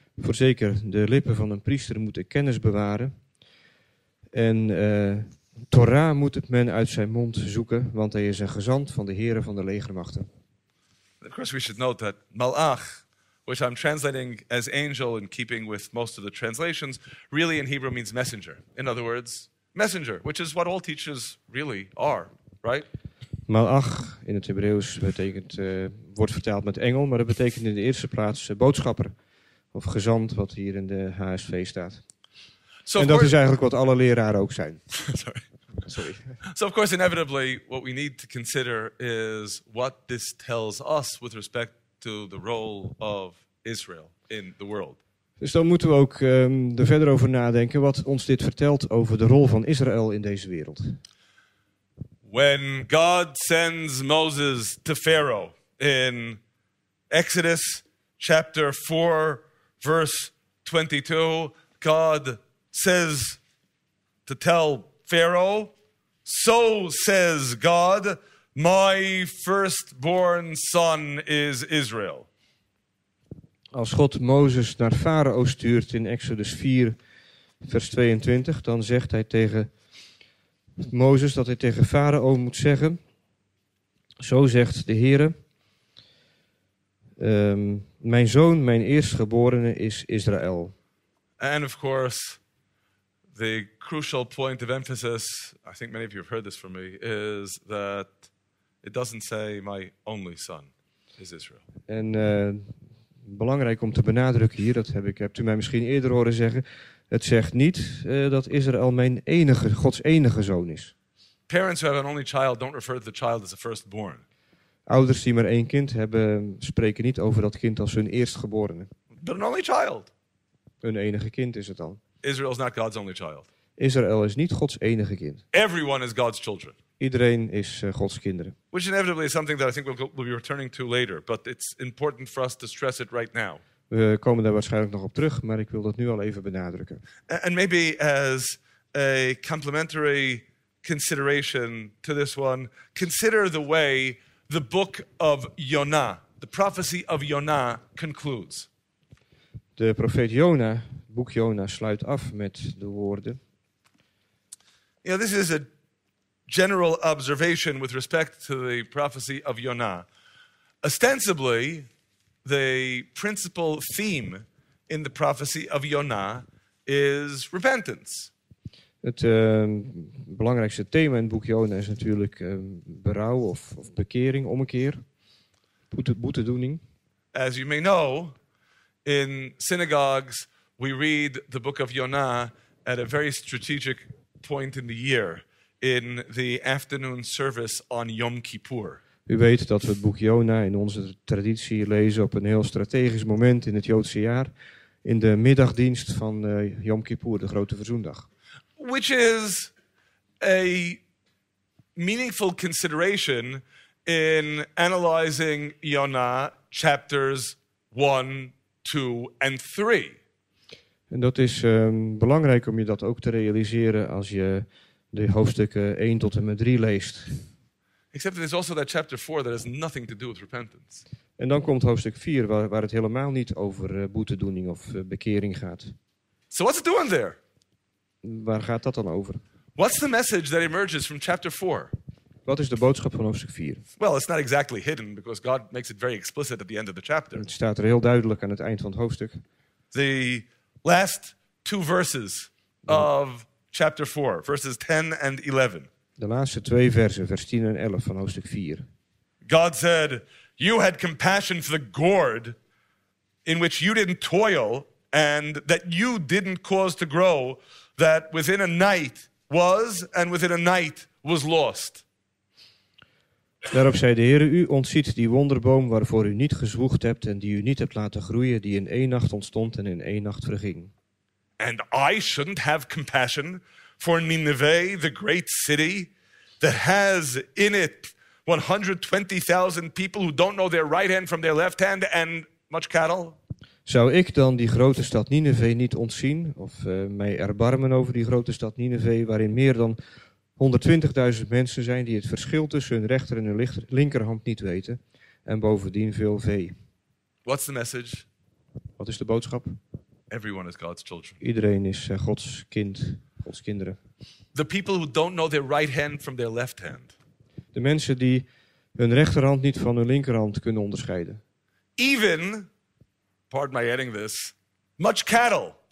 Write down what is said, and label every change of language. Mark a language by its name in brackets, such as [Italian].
[Dutch] Voorzeker, de lippen van een priester moeten kennis bewaren. En Torah moet het men uit zijn mond zoeken, want hij is een gezant van de Heere van de legermachten. [English] Of course we should note that Malach, which I'm translating as angel in keeping with most of the translations, really in Hebrew means messenger. In other words, messenger, which is what all teachers really are, right? [Dutch] Malach in het Hebreeuws betekent, wordt vertaald met engel, maar dat betekent in de eerste plaats boodschapper of gezant, wat hier in de HSV staat. So en dat is eigenlijk wat alle leraren ook zijn. [English] Sorry. So of course, inevitably, what we need to consider is what this tells us with respect to the role of Israel in the world. [Dutch] Dus dan moeten we ook er verder over nadenken wat ons dit vertelt over de rol van Israël in deze wereld. [English] When God sends Moses to Pharaoh in Exodus chapter 4, verse 22, God says to tell Pharaoh, so says God, my firstborn son is Israel. [Dutch] Als God Mozes naar Farao stuurt in Exodus 4, vers 22, dan zegt hij tegen Mozes dat hij tegen Farao moet zeggen, zo zegt de Heere, mijn zoon, mijn eerstgeborene is Israël. [English] And of course, the crucial point of emphasis, I think many of you have heard this from me, is that it doesn't say my only son is Israel. [Dutch] En belangrijk om te benadrukken hier, dat hebt u mij misschien eerder horen zeggen, het zegt niet dat Israël mijn enige, Gods enige zoon is. [English] Parents who have an only child don't refer to the child as a firstborn. [Dutch] Ouders die maar één kind hebben, spreken niet over dat kind als hun eerstgeborene. [English] But an only child. [Dutch] Een enige kind is het dan. [English] Israel is not God's only child. [Dutch] Israël is niet Gods enige kind. [English] Everyone is God's children. [Dutch] Iedereen is Gods kinderen. [English] Which inevitably is something that I think we'll be returning to later, but it's important for us to stress it right now. [Dutch] We komen daar waarschijnlijk nog op terug, maar ik wil dat nu al even benadrukken. [English] And maybe as a complementary consideration to this one, consider the way the book of Jonah, the prophecy of Jonah, concludes. [Dutch] De profeet Jonah, het boek Jonah, sluit af met de woorden. [English] You know, this is a general observation with respect to the prophecy of Jonah. Ostensibly, the principal theme in the prophecy of Jonah is repentance. [Dutch] Het belangrijkste thema in het boek Jonah is natuurlijk berouw of bekering, ommekeer, boetedoening. [English] As you may know, in synagogues we read the book of Jonah at a very strategic point in the year, in the afternoon service on Yom Kippur. [Dutch] U weet dat we het boek Jonah in onze traditie lezen op een heel strategisch moment in het Joodse jaar, in de middagdienst van Yom Kippur, de grote verzoendag. [English] Which is a meaningful consideration in analyzing Jonah chapters 1, 2 and 3. [Dutch] En dat is belangrijk om je dat ook te realiseren als je de hoofdstukken 1 tot en met 3 leest. [English] Except there's also that chapter 4 that has nothing to do with repentance. [Dutch] En dan komt hoofdstuk 4 waar het helemaal niet over boetedoening of bekering gaat. [English] So what's it doing there? [Dutch] Waar gaat dat dan over? [English] What's the message that emerges from chapter 4? [Dutch] Wat is de boodschap van hoofdstuk 4? [English] Well, it's not exactly hidden because God makes it very explicit at the end of the chapter. [Dutch] Het staat er heel duidelijk aan het eind van het hoofdstuk. [English] The last two verses of chapter 4, verses 10 and 11. [Dutch] De laatste twee versen, vers 10 en 11 van hoofdstuk 4. [English] God said, you had compassion for the gourd in which you didn't toil and that you didn't cause to grow, that within a night was and within a night was lost. [Dutch] Daarop zei de Heere, u ontziet die wonderboom waarvoor u niet gezwoegd hebt en die u niet hebt laten groeien, die in één nacht ontstond en in één nacht verging. [English] And I shouldn't have compassion for Nineveh, the great city that has in it 120,000 people who don't know their right hand from their left hand and much cattle. [Dutch] Zou ik dan die grote stad Nineveh niet ontzien of mij erbarmen over die grote stad Nineveh waarin meer dan 120.000 mensen zijn die het verschil tussen hun rechter en hun linkerhand niet weten en bovendien veel vee. [English] What's the message? [Dutch] Wat is de boodschap? [English] Everyone is God's children. [Dutch] Iedereen is Gods kind, Gods kinderen. [English] The people who don't know their right hand from their left hand. [Dutch] De mensen die hun rechterhand niet van hun linkerhand kunnen onderscheiden. [English] Even, pardon my adding this, much cattle.